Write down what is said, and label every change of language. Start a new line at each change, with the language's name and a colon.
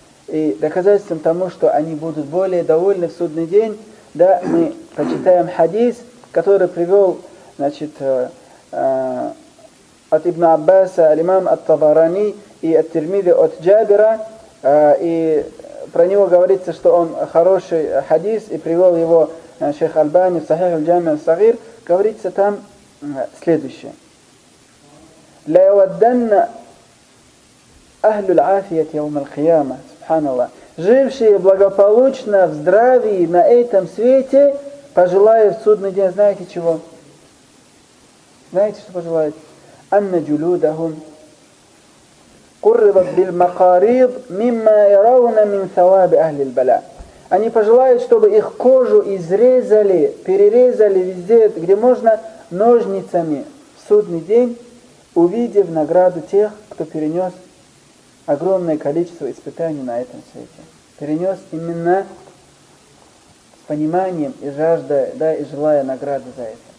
Russian: И доказательством тому, что они будут более довольны в судный день, да, мы почитаем хадис, который привел, значит, от Ибн Аббаса, имам ат-Табарани и ат-Тирмизи от Джабира, и про него говорится, что он хороший хадис, и привел его шейх Аль-Бани в Сахих аль-Джами аль-Сагир, говорится там следующее.
Arabic: «Ля ваддэнна أهل العافية يوم القيامة سبحان الله
Russian: жившие благополучно в здравии на этом свете пожелают в судный день, знаете чего? Знаете, что пожелают?
Arabic: أن جلودهم قربت بالمقاريض مما يرون من ثواب أهل البلاء.
Russian: Они пожелают, чтобы их кожу изрезали, перерезали везде, где можно, ножницами в судный день, увидев награду тех, кто перенес огромное количество испытаний на этом свете. Перенес именно с пониманием и жаждой, да, и желая награды за это.